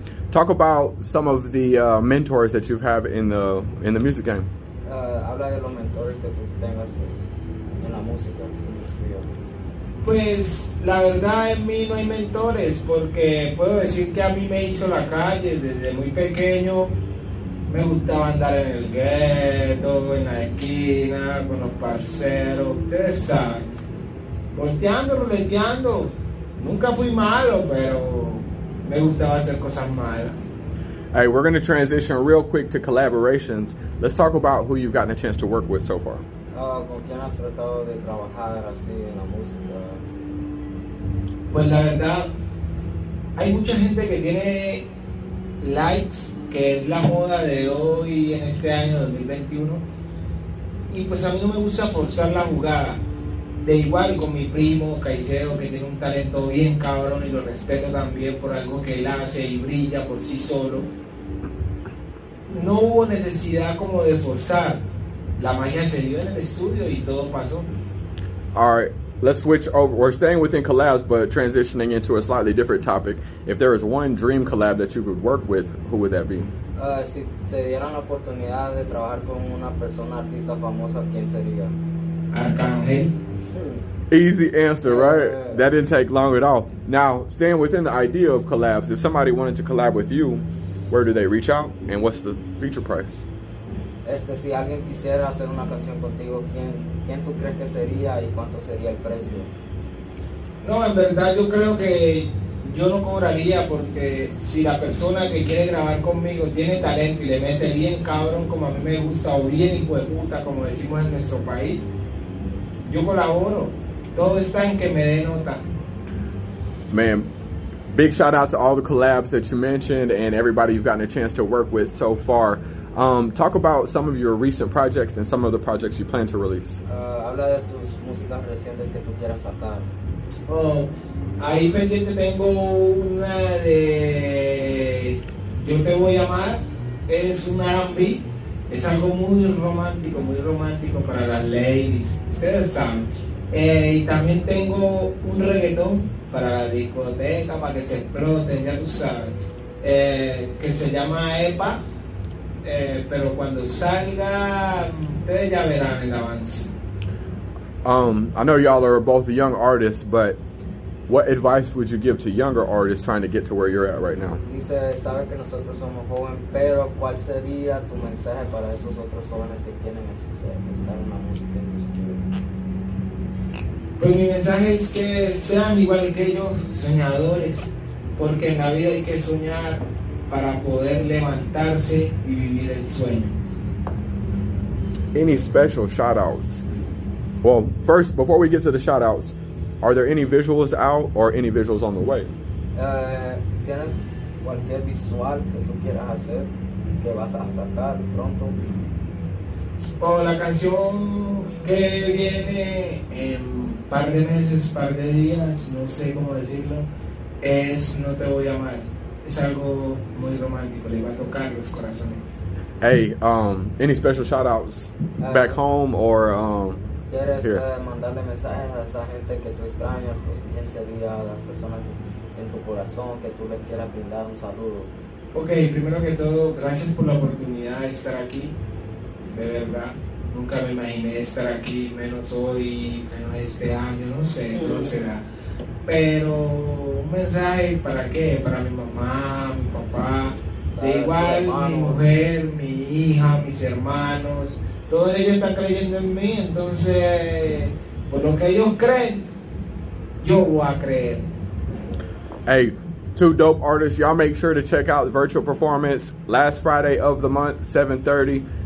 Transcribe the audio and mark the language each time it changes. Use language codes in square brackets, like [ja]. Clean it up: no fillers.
[en] Talk about some of the mentors that you've had in the music game. [es] Habla de los mentores que tú tengas en la música industrial. Pues la verdad, en mí no hay mentores, porque puedo decir que a mí me hizo la calle desde muy pequeño. Me gustaba andar en el ghetto, en la esquina, con los parceros. Ustedes saben. Volteando, ruleteando. Nunca fui malo, pero me gustaba hacer cosas malas. [en] Hey, we're going to transition real quick to collaborations. Let's talk about who you've gotten a chance to work with so far. [es] ¿Con quién has tratado de trabajar así en la música? Pues la verdad, hay mucha gente que tiene likes, que es la moda de hoy en este año 2021. Y pues a mí no me gusta forzar la jugada. De igual con mi primo Caicedo, que tiene un talento bien cabrón y lo respeto también por algo que él hace y brilla por sí solo. No hubo necesidad como de forzar. La magia se dio en el estudio y todo pasó. [en] Alright. Let's switch over. We're staying within collabs, but transitioning into a slightly different topic. If there is one dream collab that you could work with, who would that be? [es] Si te dieran la oportunidad de trabajar con una persona artista famosa, ¿quién sería? Arcángel. [en] Easy answer, right? That didn't take long at all. Now, staying within the idea of collabs, if somebody wanted to collab with you, where do they reach out, and what's the feature price? [es] Si alguien quisiera hacer una canción contigo, ¿quién tú crees que sería y cuánto sería el precio? No, en verdad yo creo que yo no cobraría, porque si la persona que quiere grabar conmigo tiene talento y le mete bien cabrón como a mí me gusta, o bien hijo de puta, como decimos en nuestro país, yo colaboro. Todo está en que me dé nota. [en] Man, big shout out to all the collabs that you mentioned and everybody you've gotten a chance to work with so far. Talk about some of your recent projects and some of the projects you plan to release. [es] Habla de tus músicas recientes que tú quieras sacar. Oh, ahí pendiente tengo una de Yo Te Voy a Amar. Es un R&B. Es algo muy romántico para las ladies. Ustedes saben. Y también tengo un reggaetón para la discoteca, para que se exploten, ya tú sabes, que se llama EPA, pero cuando salga, ustedes ya verán el avance. [en] I know y'all are both young artists, but What advice would you give to younger artists trying to get to where you're at right now? [es] Dice, sabe que nosotros somos jóvenes, pero ¿cuál sería tu mensaje para esos otros jóvenes que quieren estar en la música industrial? Pues mi mensaje es que sean igual que yo, soñadores, porque en la vida hay que soñar para poder levantarse y vivir el sueño. [en] Any special shout-outs? Well, first, before we get to the shout-outs, are there any visuals out or any visuals on the way? [es] Tienes cualquier visual que tú quieras hacer que vas a sacar pronto. O la canción que viene en par de meses, par de días, no sé cómo decirlo, es No Te Voy a Amar. Es algo muy romántico, le va a tocar los corazones. [en] Hey, any special shout-outs back home or... [es] ¿Quieres mandarle mensajes a esa gente que tú extrañas? ¿Quién sería las personas en tu corazón que tú le quieras brindar un saludo? Ok, primero que todo, gracias por la oportunidad de estar aquí. De verdad, nunca me imaginé estar aquí, menos hoy, menos este año, no sé, entonces será. Pero un mensaje, ¿para qué? Para mi mamá, mi papá, de igual mi mujer, mi hija, mis hermanos. Todos ellos están creyendo en mí, entonces, por lo que ellos creen, yo voy a creer. [en] Hey, two dope artists, y'all make sure to check out the virtual performance last Friday of the month, 7:30.